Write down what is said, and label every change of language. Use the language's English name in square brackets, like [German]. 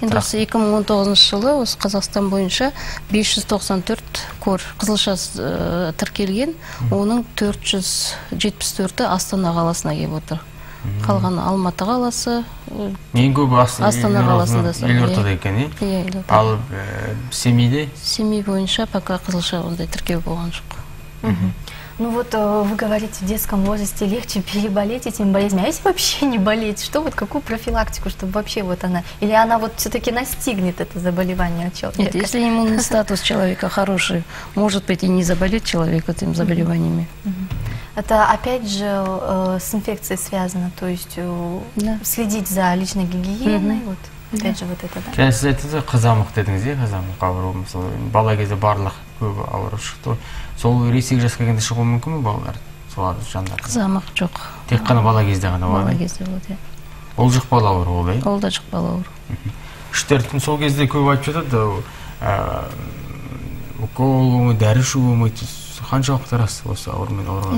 [Kazakh] Енді осы 2019 жылы осы Қазақстан бойынша 594 кор қызылшасы тіркелген, оның 474-і Астана қаласына келіп отыр. Қалған Алматы қаласы, ең көбі Астана қаласында, Елордада екен, иә? Иә, Елордада. Ал Семейде? Семей бойынша пока қызылша ондай тіркеу болған жоқ. [Russian] Ну вот вы говорите, в детском возрасте легче переболеть этими болезнями. А если вообще не болеть, что вот какую профилактику, чтобы вообще вот она, или она вот все-таки настигнет это заболевание человека? Нет, если иммунный статус человека хороший, может быть и не заболеть человек этими заболеваниями. Это опять же с инфекцией связано, то есть следить за личной гигиеной, вот опять же вот это, да. Сейчас это за казамах, ты где казамах, ауруым, балаги за барлах, ауру, что... [Kazakh] Сол ересек жасқа келгенде шығуы мүмкін бе балалар? Сол адам жандар. Қызамық жоқ. Тек қана бала кезде ғана болады. Бала кезде болады. Ол жұқпалы ауру ғой. Ол да жұқпалы ауру. 3-4 күн сол кезде көп айтып жатады. Укол ма, дәрі ішуі ма, қаншалықты рас осы аурумен ауырған?